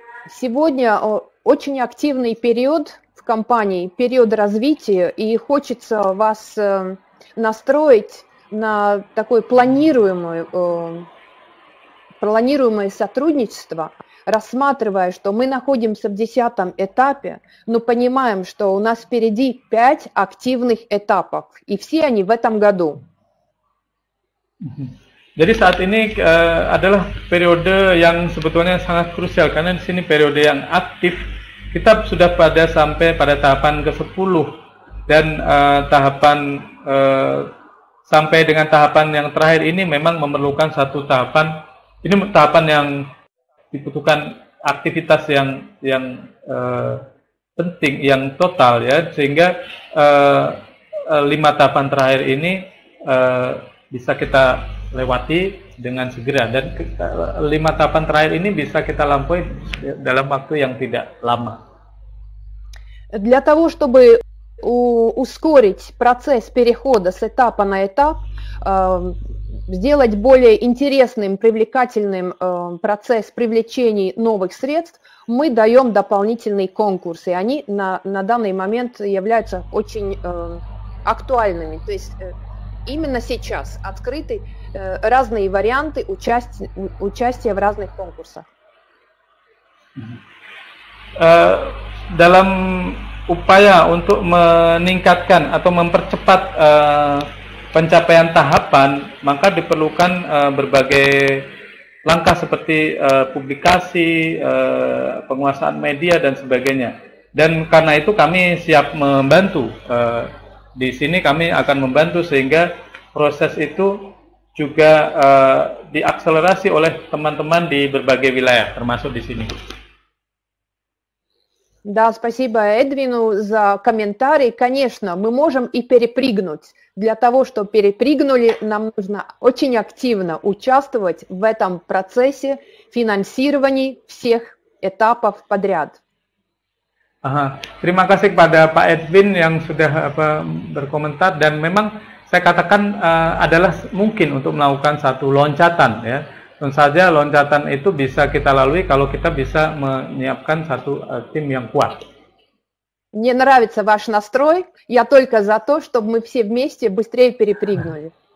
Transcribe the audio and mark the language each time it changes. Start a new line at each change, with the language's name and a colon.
Russian: Сегодня очень активный период в компании, период развития, и хочется вас настроить на такое планируемое сотрудничество, рассматривая, что мы находимся в 10-м этапе, но понимаем, что у нас впереди 5 активных этапов, и все они в этом году.
Indonesian: Jadi saat ini adalah periode yang sebetulnya sangat krusial, karena di sini periode yang aktif. Kita sudah pada sampai pada tahapan ke-10 dan tahapan sampai dengan tahapan yang terakhir ini memang memerlukan satu tahapan. Ini tahapan yang dibutuhkan aktivitas yang penting, yang total, ya, sehingga 5 tahapan terakhir ini bisa kita lewati dengan segera, dan 5 tahapan terakhir ini bisa kita lampaui dalam waktu yang tidak lama.
Russian: Для того, чтобы ускорить процесс перехода с этапа на этап, сделать более интересным, привлекательным процесс привлечения новых средств, мы даем дополнительные конкурсы. Они на данный момент являются очень актуальными. То есть именно сейчас открыты разные варианты участия в разных конкурсах.
Indonesian: Dalam upaya untuk meningkatkan atau mempercepat pencapaian tahapan, maka diperlukan berbagai langkah seperti publikasi, penguasaan media dan sebagainya. Dan karena itu kami siap membantu. Di sini kami akan membantu sehingga proses itu juga diakselerasi oleh teman-teman di berbagai wilayah, termasuk di sini.
Russian: Да, спасибо Эдвину за комментарий. Конечно, мы можем и перепрыгнуть. Для того, чтобы перепрыгнули, нам нужно очень активно участвовать в этом процессе финансирования всех этапов подряд. Ага.
Indonesian: Terima kasih kepada Pak Edwin yang sudah berkomentar dan memang saya katakan adalah mungkin untuk melakukan satu loncatan, ya. Tentu saja loncatan itu bisa kita lalui kalau kita bisa menyiapkan satu tim yang kuat.
Russian: Мне нравится ваш настрой. Я только за то, чтобы мы все вместе быстрее перепрыгнули.